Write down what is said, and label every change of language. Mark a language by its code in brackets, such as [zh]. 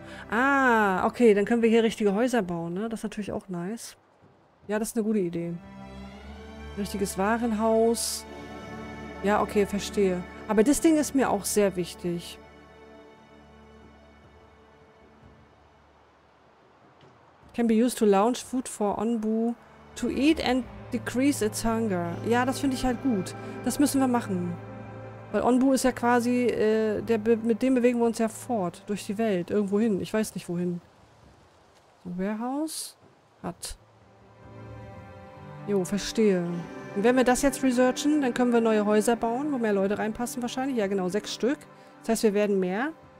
[de] Ah, okay. Dann können wir hier richtige Häuser bauen, ne? Das ist natürlich auch nice. Ja, das ist eine gute Idee. Richtiges Warenhaus. Ja, okay, verstehe. Aber das Ding ist mir auch sehr wichtig. [en] Can be used to launch food for Onbu to eat and decrease its hunger. [de] Ja, das finde ich halt gut. Das müssen wir machen. Weil Onbu ist ja quasi, mit dem bewegen wir uns ja fort. Durch die Welt. Irgendwo hin. Ich weiß nicht, wohin. Warehouse hat... Jo, verstehe. Und wenn wir das jetzt researchen, dann können wir neue Häuser bauen, wo mehr Leute reinpassen wahrscheinlich. Ja, genau, 6 Stück. Das heißt, wir werden mehr.